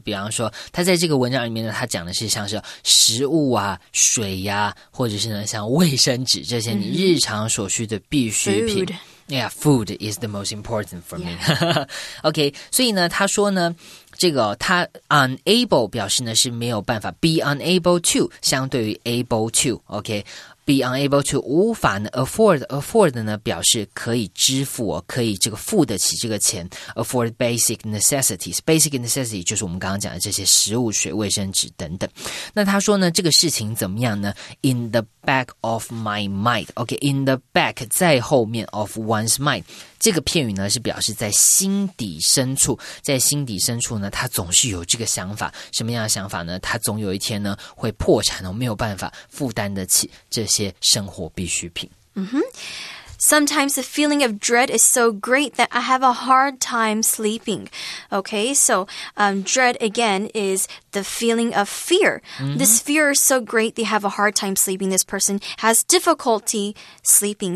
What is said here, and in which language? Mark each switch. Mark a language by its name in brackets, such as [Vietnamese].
[Chinese] 比方说他在这个文章里面呢他讲的是像是食物啊、水啊，或者是呢像卫生纸这些你日常所需的必需品、 [English] food. Yeah, food is the most important for me. [Chinese] OK, 所以呢他说呢这个、哦、他 unable 表示呢是没有办法， be unable to 相对于 able to. OK, be unable to 无法呢 afford, afford 呢表示可以支付、哦、可以这个付得起这个钱。 afford basic necessities, basic necessity 就是我们刚刚讲的这些食物、水、卫生纸等等。那他说呢这个事情怎么样呢？ [English] in the back of my mind. [Chinese] OK, in the back 在后面 of one's mind这个片语呢是表示在心底深处，在心底深处呢他总是有这个想法。什么样的想法呢？他总有一天呢会破产，没有办法负担得起这些生活必需品。嗯哼。 [English] Sometimes the feeling of dread is so great that I have a hard time sleeping. Okay, so dread again is the feeling of fear. Mm-hmm. This fear is so great they have a hard time sleeping. This person has difficulty sleeping.